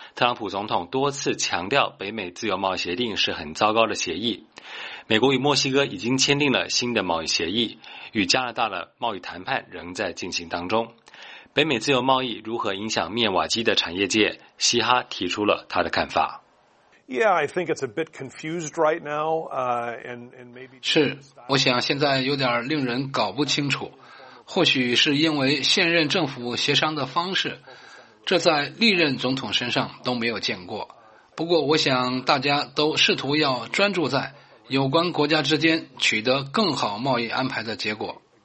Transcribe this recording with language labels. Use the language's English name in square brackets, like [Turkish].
[Chinese] 特朗普总统多次强调，北美自由贸易协定是很糟糕的协议。美国与墨西哥已经签订了新的贸易协议，与加拿大的贸易谈判仍在进行当中。北美自由贸易如何影响密瓦基的产业界？嘻哈提出了他的看法。 [English] Yeah, I think it's a bit confused right now, and maybe. [Chinese] 是，我想现在有点令人搞不清楚，或许是因为现任政府协商的方式，这在历任总统身上都没有见过。不过，我想大家都试图要专注在有关国家之间取得更好贸易安排的结果。